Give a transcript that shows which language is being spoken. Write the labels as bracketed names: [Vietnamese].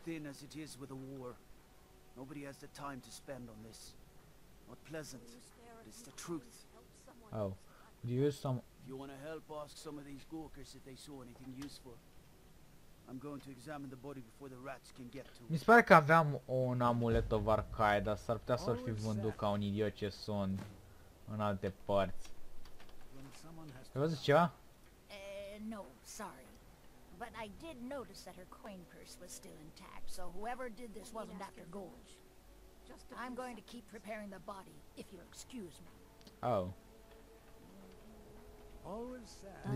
[English] Thin as it is with the war, nobody has the time to spend on this. Not pleasant, but it's the truth. Oh, do you use some? If you want to help, ask some of these Gorkers if they saw anything useful. I'm going to examine the body before the rats can get to it. [Romanian] Mi pare că aveam un [English] amulet of Arcaida, [Romanian] s-ar putea să-l fi vândut ca un idiot ce sunt în alte părți. Ai văzut ceva? [English] No, sorry. But I did notice that her coin purse was still intact, so whoever did this wasn't Dr. Gorge. I'm going to keep preparing the body, if you'll excuse me. Oh. Always sad.